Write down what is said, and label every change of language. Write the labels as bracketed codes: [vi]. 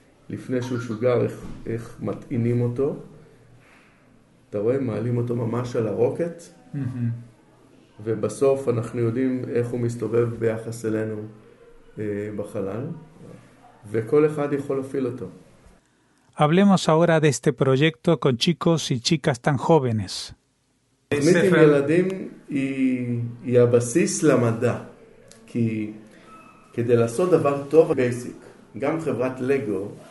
[he] לפני שהוא שוגר, איך מטעינים אותו. אתה רואה, מעלים אותו ממש על הרוקט, ובסוף אנחנו יודעים איך הוא מסתובב ביחס אלינו בחלל, וכל אחד יכול להפעיל אותו. [es] Hablemos ahora de este proyecto con chicos y chicas tan jóvenes. [he] תוכנית עם ילדים היא הבסיס למדע, כי כדי לעשות דבר טוב, בייסיק, גם חברת לגו,